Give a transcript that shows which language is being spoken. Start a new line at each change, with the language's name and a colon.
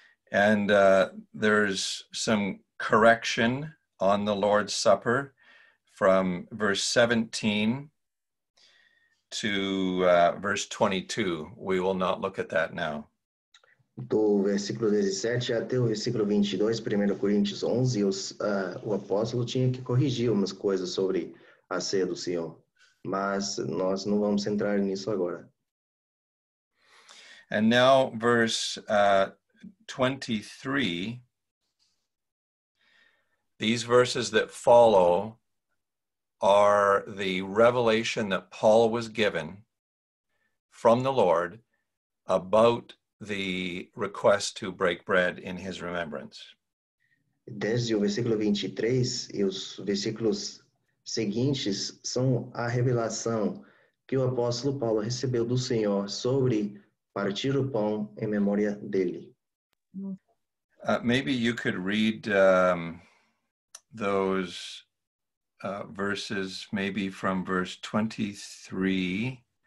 English: And there's some correction on the Lord's Supper from verse 17 to verse 22. We will not look at that now.
Portuguese: Do versículo 17 até o versículo 22, 1 Coríntios 11, o apóstolo tinha que corrigir umas coisas sobre a ceia do Senhor. Mas nós não vamos entrar nisso agora.
English: And now verse 23, these verses that follow are the revelation that Paul was given from the Lord about the request to break bread in his remembrance.
Portuguese: Desde o versículo 23 e os versículos seguintes são a revelação que o apóstolo Paulo recebeu do Senhor sobre partir o pão em memória dele.
English: Maybe you could read those verses, maybe from verse 23.